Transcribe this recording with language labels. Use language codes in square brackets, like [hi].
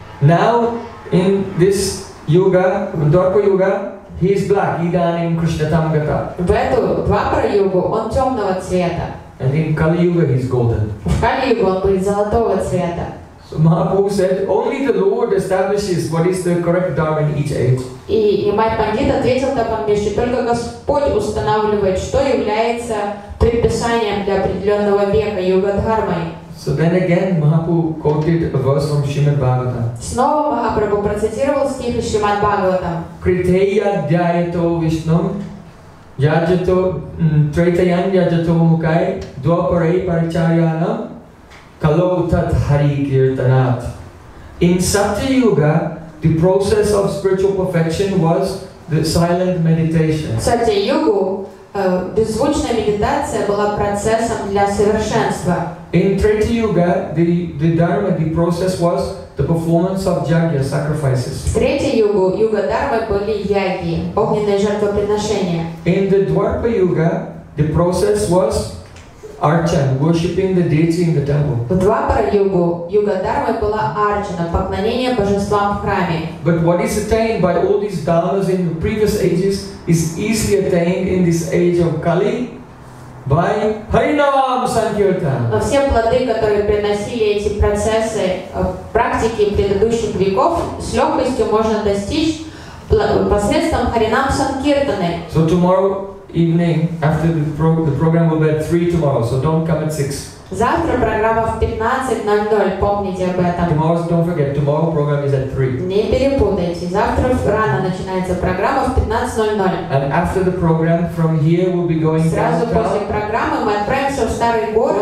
[en] Now, in this Yuga, Dwapara Yuga, he is black. [sa] Idanim Krishnatam Gata. [ru] В эту Двапара Югу он темного цвета. [en] And in Kali Yuga, he is golden. [ru] В Кали Югу он будет золотого цвета. [en] So Mahaprabhu said, only the Lord establishes what is the correct dharma in each age. [ru] И Май Пандит ответил Тапан-мишре, только Господь устанавливает, что является предписанием для определенного века Юга Дхармой. [en] So then again, Mahaprabhu quoted a verse from Srimad Bhagavatam. [ru] Снова Махапрабху процитировал стих из Шримад Бхагаватам. [sa] Критея дьяйто вишном, яджато, третаян яджато мукай, дуапарай паричарьянам, калоутат хари киртанат. [en] In Satya Yuga, the process of spiritual perfection was the silent meditation. [ru] Satya Yuga, беззвучная медитация была процессом для совершенства. [en] In Третья Юга, the dharma, the process was the performance of yagya, sacrifices. [ru] В Третья Югу, Юга Дхармы были яги, огненные жертвоприношения. [en] In the Двапара Юга, the process was archan, worshipping the deity in the temple. [ru] В Двапара Югу, Юга Дхармы была арчана, поклонение божествам в храме. [en] But what is attained by all these dharmas in the previous ages is easily attained in this age of Kali, by Harinavam Sankirtan. [ru] Но все плоды, которые приносили эти процессы практики предыдущих веков, с легкостью можно достичь посредством Харинам Санкиртаны. [en] So tomorrow evening, after the program will be at 3 tomorrow, so don't come at 6. [ru] Завтра программа в 15:00. Помните об этом. [en] Tomorrow, don't forget, tomorrow program is at 3. [ru] Не перепутайте. Завтра рано начинается программа в 15:00. [en] And after the program, from here we'll be going [ru] сразу [en] downtown. [ru] После программы мы отправимся в старый город.